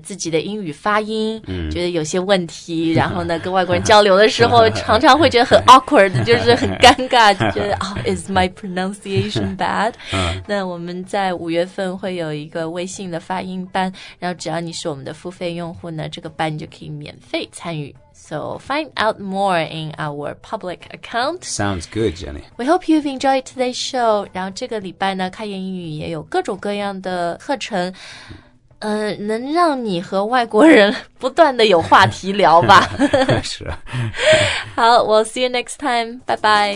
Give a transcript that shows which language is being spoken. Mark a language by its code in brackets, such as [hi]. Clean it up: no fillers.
[zh] 自己的英语发音、嗯、觉得有些问题，然后呢跟外国人交流的时候常常会觉得很 awkward， 就是很尴尬，就觉得、 [en] oh, Is my pronunciation bad？、嗯、 [zh] 那我们在五月份会有一个微信的发音班，然后只要你是我们的付费用户呢，这个班就可以免费参与。 [en] So find out more in our public account. Sounds good, Jenny. We hope you've enjoyed today's show. [zh] 然后这个礼拜呢，开言英语也有各种各样的课程，能让你和外国人不断的有话题聊吧。是。好， [en] we'll see you next time. Bye bye.